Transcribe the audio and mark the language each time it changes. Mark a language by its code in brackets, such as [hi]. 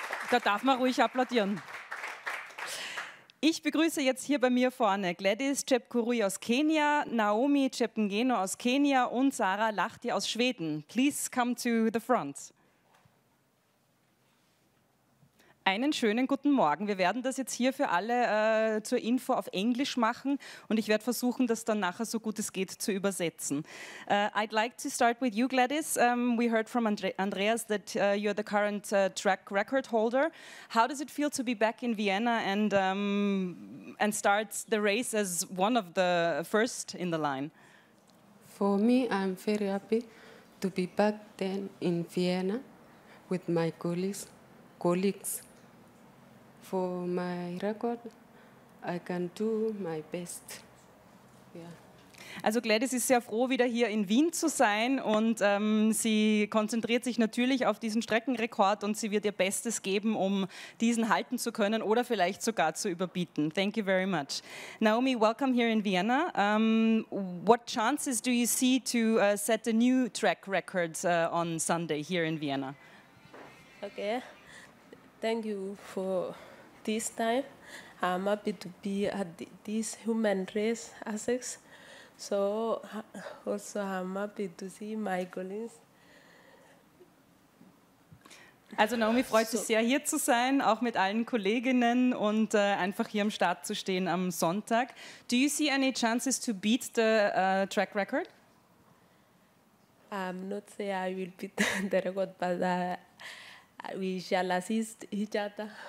[de] Da darf man ruhig applaudieren. Ich begrüße jetzt hier bei mir vorne Gladys Chepkurui aus Kenia, Naomi Chepngeno aus Kenia und Sarah Lahti aus Schweden. [en] Please come to the front. [de] Einen schönen guten Morgen. Wir werden das jetzt hier für alle zur Info auf Englisch machen und ich werde versuchen, das dann nachher so gut es geht zu übersetzen. [en] I'd like to start with you, Gladys. We heard from Andreas that you're the current track record holder. How does it feel to be back in Vienna and start the race as one of the first in the line? For me, I'm very happy to be back then in Vienna with my colleagues. For my record, I can do my best. Yeah. [de] Also Gladys ist sehr froh, wieder hier in Wien zu sein und sie konzentriert sich natürlich auf diesen Streckenrekord und sie wird ihr Bestes geben, um diesen halten zu können oder vielleicht sogar zu überbieten. [en] Thank you very much. Naomi, welcome here in Vienna. What chances do you see to set a new track record on Sunday here in Vienna? Okay, thank you for... This time, I'm happy to be at this human race Essex. So, also I'm happy to see my colleagues. [de] Also Naomi freut sich sehr, hier zu sein, auch mit allen Kolleginnen und einfach hier am Start zu stehen am Sonntag. [en] Do you see any chances to beat the track record? I'm not sure I will beat the record, but we shall assist each other.